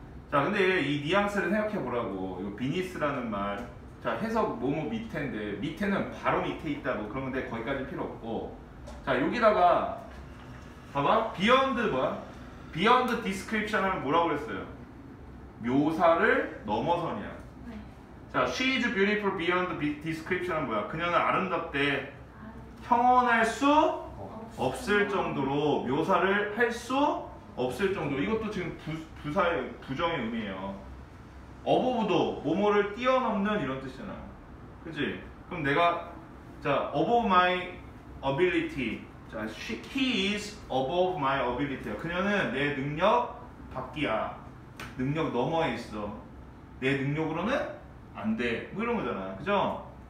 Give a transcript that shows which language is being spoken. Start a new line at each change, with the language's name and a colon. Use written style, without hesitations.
Korean: 자, 근데 이 뉘앙스를 생각해보라고. 이거 비니스라는 말. 자, 해석 뭐뭐 밑에인데, 밑에는 바로 밑에 있다 뭐 그런 건데 거기까지 필요 없고. 자, 여기다가 봐봐. 비언드 뭐야? 비언드 디스크립션 하면 뭐라고 그랬어요? 묘사를 넘어선이야.
English: 자, she is beautiful beyond the description
Korean: 은 뭐야? 그녀는 아름답대 형언할 수 없을 정도로, 묘사를 할 수 없을 정도. 이것도 지금 부사의 부정의 의미예요. 어버브도 뭐뭐를 뛰어넘는 이런 뜻이잖아. 그치? 그럼 내가 자 above my ability 자
English: he is above my ability
Korean: 그녀는 내 능력 밖이야 능력 너머에 있어 내 능력으로는 안 돼 뭐 이런 거잖아 그죠?